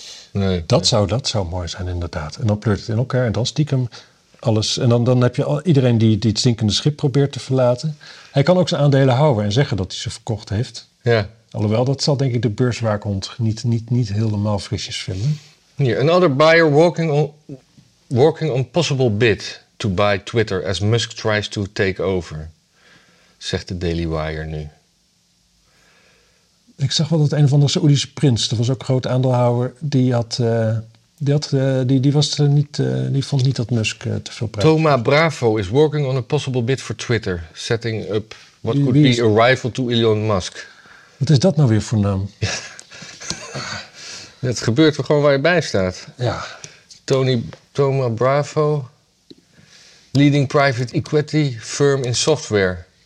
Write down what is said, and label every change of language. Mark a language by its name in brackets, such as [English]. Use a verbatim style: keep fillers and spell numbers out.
[Dutch] Nee, dat, nee. Zou, dat zou mooi zijn, inderdaad. En dan pleurt het in elkaar en dan stiekem alles. En dan, dan heb je al, iedereen die, die het zinkende schip probeert te verlaten. Hij kan ook zijn aandelen houden en zeggen dat hij ze verkocht heeft. Ja. Alhoewel, dat zal denk ik de beurswaakhond niet, niet, niet helemaal frisjes vinden. [English] Hier, another buyer walking on, walking on possible bid to buy Twitter as Musk tries to take over. [Dutch] Zegt de Daily Wire nu. Ik zag wel dat een of andere Saoedische prins, dat was ook een groot aandeelhouder, die had, uh, die, had uh, die, die was er niet, uh, die vond niet dat Musk uh, te veel prijs. [English] Toma Bravo is working on a possible bid for Twitter, setting up what could be a rival to Elon Musk. [Dutch] Wat is dat nou weer voor naam? Ja. Het gebeurt gewoon waar je bij staat. Ja. [English] Tony Toma Bravo, leading private equity firm in software.